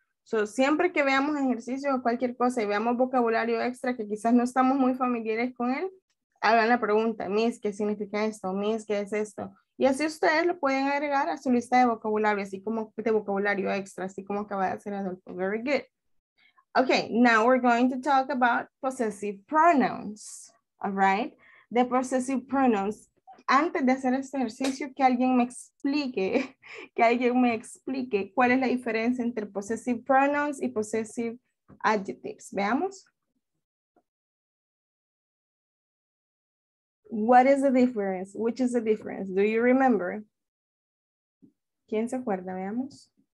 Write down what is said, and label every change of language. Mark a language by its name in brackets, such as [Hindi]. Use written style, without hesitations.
[Spanish] So, siempre que veamos ejercicio o cualquier cosa y veamos vocabulario extra que quizás no estamos muy familiares con él, hagan la pregunta, Miss, ¿qué significa esto? Miss, ¿qué es esto? Y así ustedes lo pueden agregar a su lista de vocabulario, así como de vocabulario extra, así como acaba de hacer Adolfo. [English] Very good. Okay, now we're going to talk about possessive pronouns. All right? The possessive pronouns. [Spanish] Antes de hacer este ejercicio, que alguien me explique cuál es la diferencia entre possessive pronouns y possessive adjectives. Veamos. [English] What is the difference? Which is the difference? Do you remember? [Spanish] ¿Quién se acuerda? Veamos.